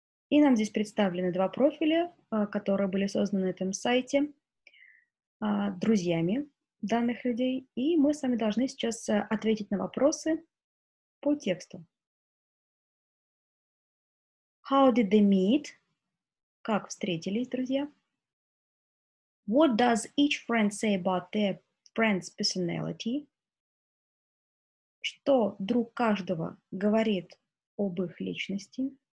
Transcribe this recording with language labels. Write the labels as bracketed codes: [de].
[ru] И нам здесь представлены два профиля, которые были созданы на этом сайте друзьями данных людей. И мы с вами должны сейчас ответить на вопросы по тексту. [en] How did they meet? [ru] Как встретились друзья? [en] What does each friend say about their friend's personality? [ru] Что друг каждого говорит об их личности?